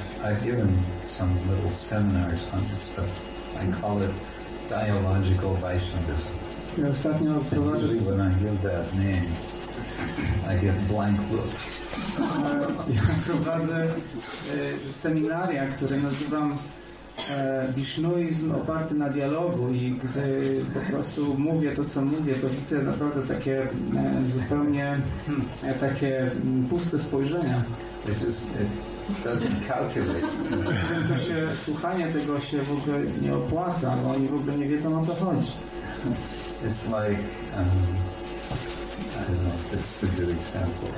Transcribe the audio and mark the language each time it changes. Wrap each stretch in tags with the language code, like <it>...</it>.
<en>I've given some little seminars on this stuff. I call it dialogical Vaishnavism.</en> <pl>Ja ostatnio prowadzę.</pl> <en>When I give that name, I get blank looks.</en> <pl>Ja prowadzę seminaria, które nazywam Wisznuizm oparty na dialogu, i gdy po prostu mówię to, co mówię, to widzę naprawdę takie zupełnie takie puste spojrzenia.</pl> <en>It doesn't calculate.</en> <pl>Słuchanie tego się w ogóle nie opłaca, bo oni w ogóle nie wiedzą, o co chodzi.</pl> <en>It's like, I don't know if this is a good example.</en>